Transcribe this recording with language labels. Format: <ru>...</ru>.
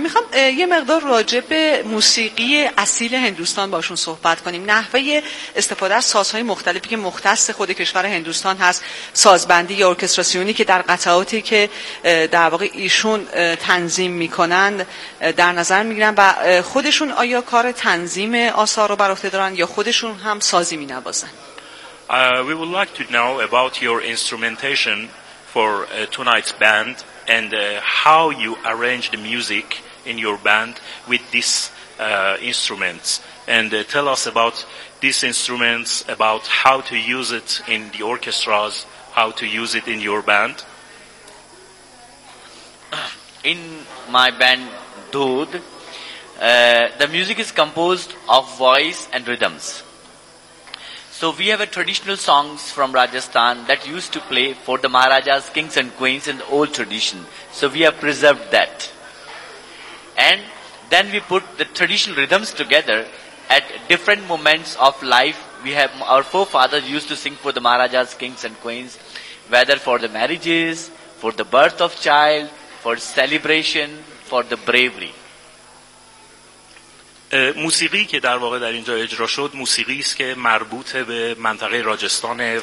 <fa>میخوام یه مقدار راجع به موسیقی اصیل هندوستان باشون صحبت کنیم، نحوه استفاده از سازهای مختلفی که مختص خود کشور هندوستان هست، سازبندی یا ارکستراسیونی که در قطعاتی که در واقع ایشون تنظیم میکنن در نظر میگیرن و خودشون آیا کار تنظیم آثار رو بر عهده دارن یا خودشون هم سازی مینوازن.</fa> <en>We would like to know about your instrumentation for tonight's band and how you arrange the music in your band with these instruments. And tell us about these instruments, about how to use it in the orchestras, how to use it in your band. In my band, Dhood, the music is composed of voice and rhythms. So we have a traditional songs from Rajasthan that used to play for the Maharajas, kings and queens in the old tradition. So we have preserved that. And then we put the traditional rhythms together at different moments of life. We have our forefathers used to sing for the Maharajas, kings and queens, whether for the marriages, for the birth of child, for celebration, for the bravery.</en> <fa>موسیقی که در واقع در اینجا اجرا شد موسیقی است که مربوط به منطقه راجستانه و</fa>